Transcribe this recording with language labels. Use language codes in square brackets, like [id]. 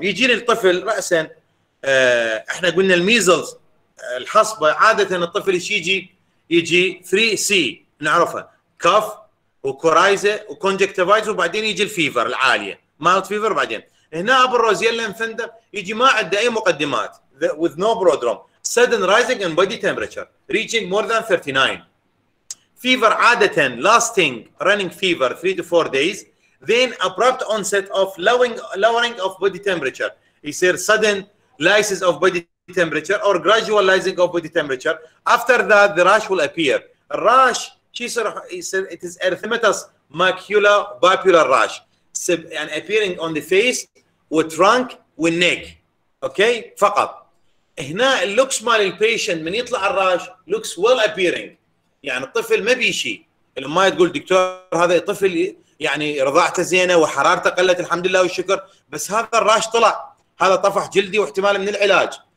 [ar] يجي الطفل راسا احنا قلنا الميزلز الحصبه عاده الطفل ايش يجي 3C نعرفها كف وكورايزه وكونجكتيفايتس وبعدين يجي الفيفر العاليه مالت فيفر وبعدين هنا ابو روزيلا انفندر يجي ما عنده اي مقدمات [en] with no prodrome. Sudden rising in body temperature, reaching more than 39. Fever, [ar] عادةً, [en] lasting running fever, 3 to 4 days. Then abrupt onset of lowering of body temperature. He said sudden rises of body temperature or gradual rising of body temperature. After that, the rash will appear. Rash, he said it is erythematous maculopapular rash. And appearing on the face, with trunk, with neck. Okay, [ar] فقط. هنا اللوكس مال البيشنت من يطلع الراش [en] looks will appearing [ar] يعني الطفل ما بي شيء. الام تقول دكتور هذا طفل يعني رضاعته زينه وحرارته قلت الحمد لله والشكر بس هذا الراش طلع هذا طفح جلدي واحتمال من العلاج.